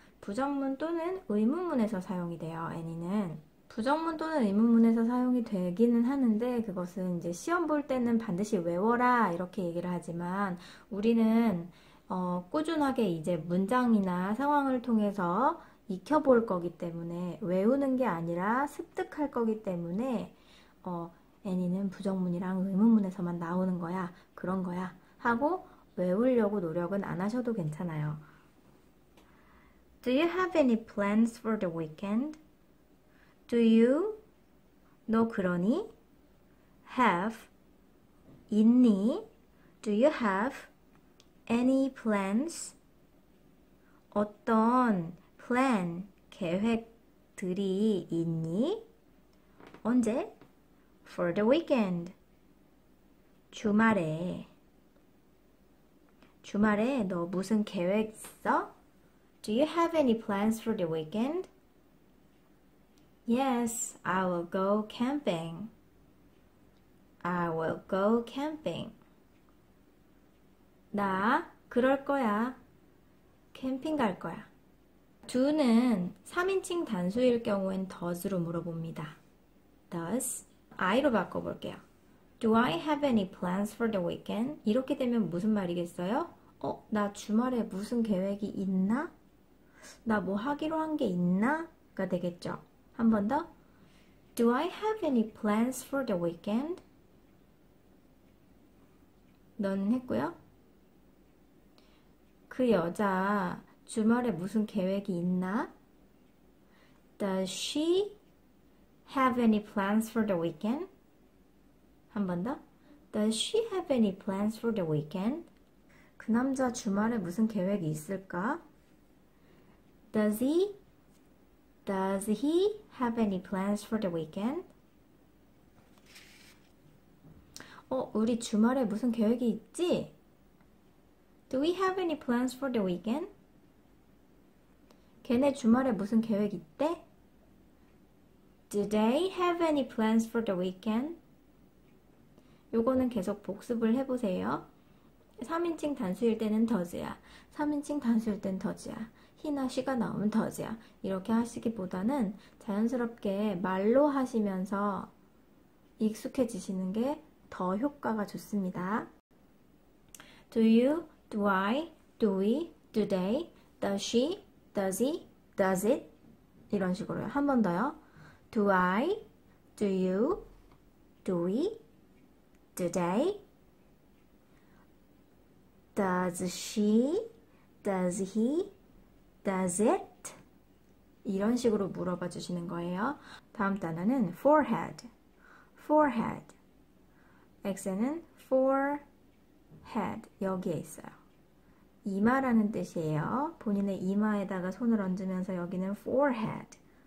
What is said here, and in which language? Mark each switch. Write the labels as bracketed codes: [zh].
[ko] 부정문 또는 의문문에서 사용이 돼요. Any는 부정문 또는 의문문에서 사용이 되기는 하는데 그것은 이제 시험 볼 때는 반드시 외워라 이렇게 얘기를 하지만 우리는 꾸준하게 이제 문장이나 상황을 통해서 익혀볼 거기 때문에 외우는 게 아니라 습득할 거기 때문에 Any는 부정문이랑 의문문에서만 나오는 거야 그런 거야. 하고 외우려고 노력은 안 하셔도 괜찮아요. [en] Do you have any plans for the weekend? Do you? [ko] 너 그러니? [en] Have? [ko] 있니? [en] Do you have any plans? [ko] 어떤 plan, 계획들이 있니? 언제? [en] For the weekend. [ko] 주말에. 주말에 너 무슨 계획 있어? [en] Do you have any plans for the weekend? Yes, I will go camping. I will go camping. [ko] 나 그럴 거야. 캠핑 갈 거야. Do는 3인칭 단수일 경우엔 does로 물어봅니다. Does, I로 바꿔볼게요. [en] Do I have any plans for the weekend? [ko] 이렇게 되면 무슨 말이겠어요? 어? 나 주말에 무슨 계획이 있나? 나 뭐 하기로 한 게 있나? 가 되겠죠. 한 번 더. [en] Do I have any plans for the weekend? [ko] 너는 했고요. 그 여자 주말에 무슨 계획이 있나? [en] Does she have any plans for the weekend? [ko] 한 번 더. [en] Does she have any plans for the weekend? [ko] 그 남자 주말에 무슨 계획이 있을까? [en] Does he have any plans for the weekend? [ko] 어, 우리 주말에 무슨 계획이 있지? [en] Do we have any plans for the weekend? [ko] 걔네 주말에 무슨 계획 있대? [en] Do they have any plans for the weekend? [ko] 요거는 계속 복습을 해보세요. 3인칭 단수일 때는 does야. 3인칭 단수일 땐 does야. he나 she가 나오면 does야. 이렇게 하시기보다는 자연스럽게 말로 하시면서 익숙해지시는 게 더 효과가 좋습니다. [en] Do you, do I, do we, do they, does she, does he, does it? [ko] 이런 식으로요. 한 번 더요. [en] Do I, do you, do we, do they, does she, does he, does it? [ko] 이런 식으로 물어봐 주시는 거예요. 다음 단어는 forehead. Forehead. X는 forehead. 여기에 있어요. 이마라는 뜻이에요. 본인의 이마에다가 손을 얹으면서 여기는 forehead.